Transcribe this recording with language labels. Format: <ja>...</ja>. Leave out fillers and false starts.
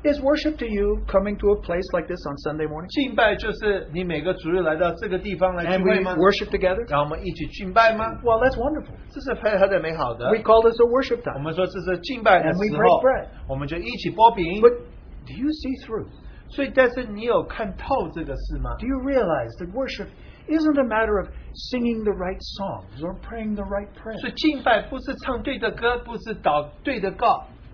<en>Is worship to you coming to a place like this on Sunday morning?</en> <zh>敬拜就是你每个主日来到这个地方来聚会吗?</zh> <en>And we worship together?</en> <zh>让我们一起敬拜吗?</zh> <en>Well, that's wonderful.</en> <zh>这是非常美好的。</zh> <en>We call this a worship time.</en> <zh>我们说这是敬拜的时候。</zh> <en>And we break bread.</en> <zh>我们就一起剥饼。</zh> <en>But do you see through?</en> <zh>所以但是你有看透这个事吗?</zh> <en>Do you realize that worship isn't a matter of singing the right songs or praying the right prayer?</en> <zh>所以敬拜不是唱对的歌，不是祷对的告。</zh>